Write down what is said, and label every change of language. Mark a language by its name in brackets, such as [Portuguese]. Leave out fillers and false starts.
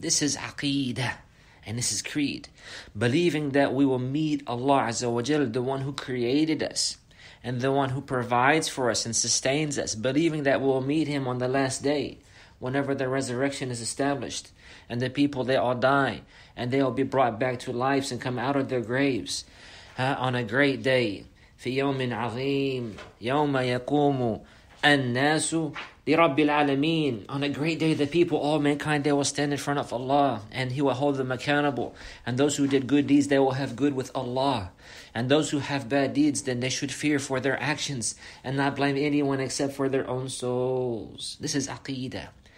[English] This is Aqidah and this is creed. Believing that we will meet Allah azza wa jal, the one who created us and the one who provides for us and sustains us. Believing that we will meet Him on the last day, whenever the resurrection is established, and the people, they all die and they will be brought back to life and come out of their graves on a great day. [Arabic] في يوم عظيم يوم يقوم الناس لرب العالمين. [English] On a great day, the people, all mankind, they will stand in front of Allah, and He will hold them accountable. And those who did good deeds, they will have good with Allah. And those who have bad deeds, then they should fear for their actions and not blame anyone except for their own souls. This is Aqidah.